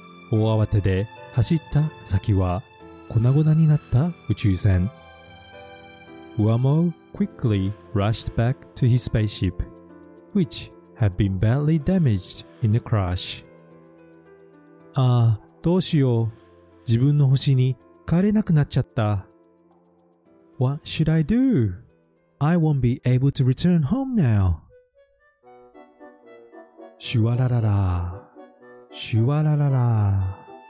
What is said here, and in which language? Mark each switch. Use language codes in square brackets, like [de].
[ja] 大慌てで走った先は粉々になった宇宙船。 [en] Wamo quickly rushed back to his spaceship, which had been badly damaged in the crash. [ja] ああ、どうしよう。自分の星に帰れなくなっちゃった。 [en] What should I do? I won't be able to return home now. シュワララララ、シュワララララ。